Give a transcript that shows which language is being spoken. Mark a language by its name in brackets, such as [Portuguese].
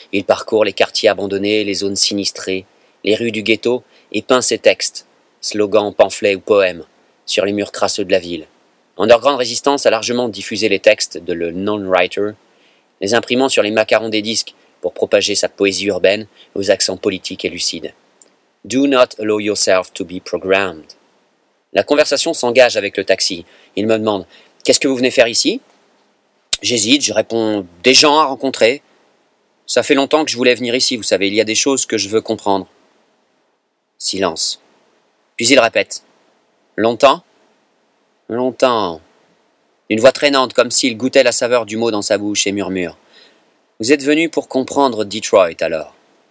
[French] Il parcourt les quartiers abandonnés, les zones sinistrées, les rues du ghetto et peint ses textes, slogans, pamphlets ou poèmes, sur les murs crasseux de la ville. Underground Résistance a largement diffusé les textes de l'Unknown Writer, les imprimant sur les macarons des disques pour propager sa poésie urbaine aux accents politiques et lucides. [English] Do not allow yourself to be programmed. [French] La conversation s'engage avec le taxi. Il me demande « Qu'est-ce que vous venez faire ici ?» J'hésite, je réponds « Des gens à rencontrer. » « Ça fait longtemps que je voulais venir ici, vous savez, il y a des choses que je veux comprendre. » Silence. Puis il répète « Longtemps ?»« Longtemps. » Une voix traînante, comme s'il goûtait la saveur du mot dans sa bouche et murmure « Vous êtes venu pour comprendre Detroit alors ?»